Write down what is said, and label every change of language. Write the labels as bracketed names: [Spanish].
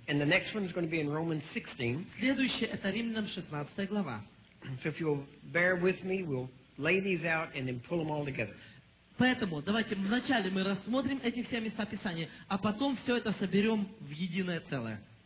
[English] And the next one is going to be in Romans 16. [Russian] Следующее это Римлянам 16 глава. [English] So if you'll bear with me, we'll lay these out and then pull them all together. [Russian] Поэтому давайте вначале мы рассмотрим эти все места Писания, а потом все это соберем в единое целое.